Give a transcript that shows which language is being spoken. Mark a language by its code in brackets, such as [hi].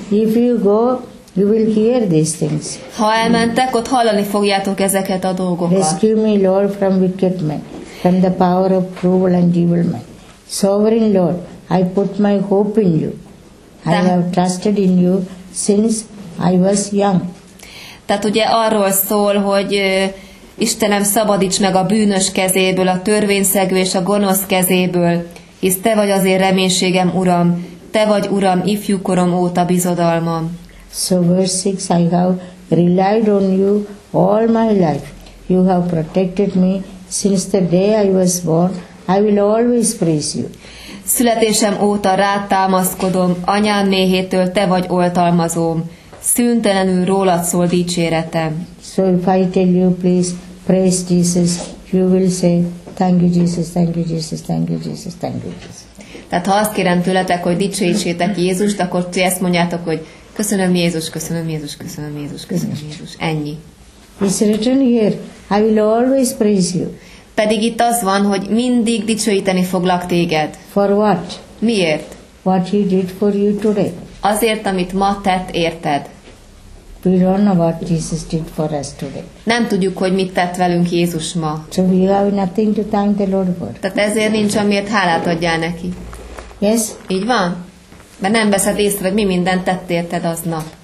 [en] If you go, you will hear these things. [hu] Ha elmentek, ott hallani fogjátok ezeket a dolgokat. [en] Rescue me, Lord, from wicked men, from the power of cruel and evil men. Sovereign Lord, I put my hope in you. I have trusted in you since I was young. [hu] Tehát ugye arról szól, hogy Istenem, szabadíts meg a bűnös kezéből, a törvényszegő és a gonosz kezéből, hisz Te vagy az én reménységem, Uram. Te vagy, Uram, ifjúkorom óta bizodalmam. [en] So verse 6, I have relied on you all my life. You have protected me since the day I was born. I will always praise you. [hu] Születésem óta rád támaszkodom, anyám méhétől Te vagy oltalmazóm. Szüntelenül rólad szól dicséretem. [en] So if I tell you, please praise Jesus, you will say, thank you Jesus, thank you Jesus, thank you Jesus, thank you Jesus. [hu] Tehát ha azt kérem tőletek, hogy dicsőítsétek Jézust, akkor ti ezt mondjátok, hogy köszönöm Jézus, köszönöm Jézus, köszönöm Jézus, köszönöm Jézus. Ennyi. [en] It's written here, I will always praise you. [hu] Pedig itt az van, hogy mindig dicsőíteni foglak téged. [en] For what? [hu] Miért? [en] What he did for you today. [hu] Azért, amit ma tett, érted. [en] We don't know what Jesus did for us today. [hu] Nem tudjuk, hogy mit tett velünk Jézus ma. [en] So we have nothing to thank the Lord for. [hu] Tehát ezért nincs, amiért hálát adjál neki. [en] Yes? [hu] Így van? Mert nem veszed észre, hogy mi mindent tett érted aznap.